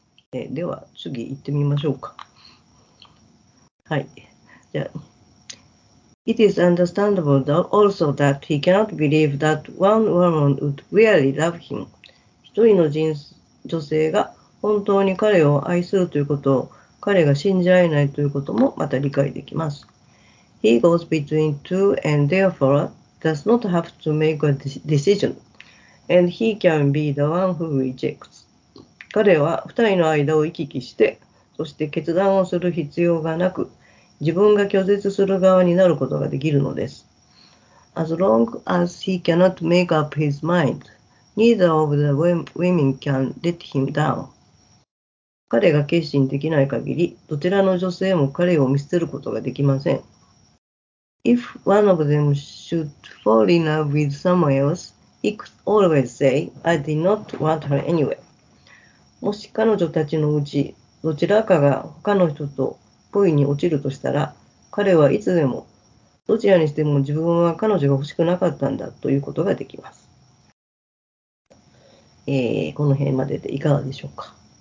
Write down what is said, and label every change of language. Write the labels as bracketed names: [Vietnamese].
[Japanese] では次行ってみましょうか。はい。 [English] じゃあ、It is understandable also that he cannot believe that one woman would really love him. [Japanese] 一人の女性が本当に彼を愛するということを彼が信じられないということもまた理解できます。 [English] He goes between two and therefore does not have to make a decision, and he can be the one who rejects. [Japanese] 彼は二人の間を行き来して、そして決断をする必要がなく、自分が拒絶する側になることができるのです。 [English] As long as he cannot make up his mind, neither of the women can let him down. [Japanese] 彼が決心できない限り、どちらの女性も彼を見捨てることができません。 [English] If one of them should fall in love with someone else, he could always say, I did not want her anyway. [Japanese] もし彼女たちのうちどちらかが他の人と恋に落ちるとしたら、彼はいつでもどちらにしても自分は彼女が欲しくなかったんだということができます。この辺まででいかがでしょうか。